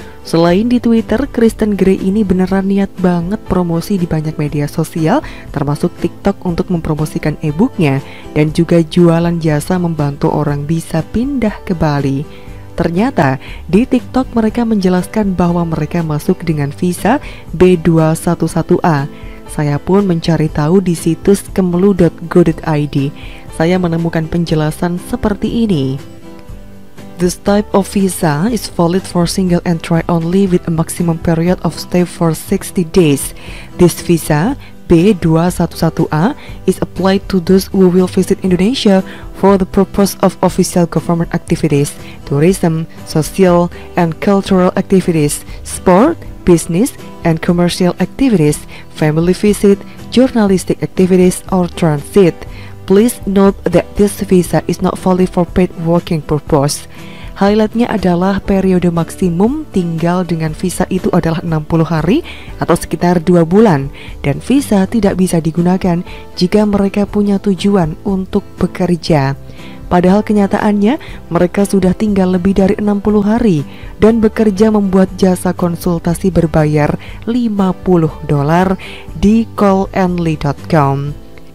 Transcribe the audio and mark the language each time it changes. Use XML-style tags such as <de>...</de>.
<id>Selain di Twitter, Kristen Gray ini beneran niat banget promosi di banyak media sosial, termasuk TikTok untuk mempromosikan e-booknya, dan juga jualan jasa membantu orang bisa pindah ke Bali. Ternyata, di TikTok mereka menjelaskan bahwa mereka masuk dengan visa B211A. Saya pun mencari tahu di situs kemlu.go.id. Saya menemukan penjelasan seperti ini.</id> <en>This type of visa is valid for single entry only with a maximum period of stay for 60 days. This visa, B211A, is applied to those who will visit Indonesia for the purpose of official government activities, tourism, social and cultural activities, sport, business and commercial activities, family visit, journalistic activities, or transit. Please note that this visa is not valid for paid working purpose.</en> <id>Highlightnya adalah periode maksimum tinggal dengan visa itu adalah 60 hari atau sekitar 2 bulan, dan visa tidak bisa digunakan jika mereka punya tujuan untuk bekerja. Padahal kenyataannya, mereka sudah tinggal lebih dari 60 hari dan bekerja membuat jasa konsultasi berbayar $50 di callandly.com.</id>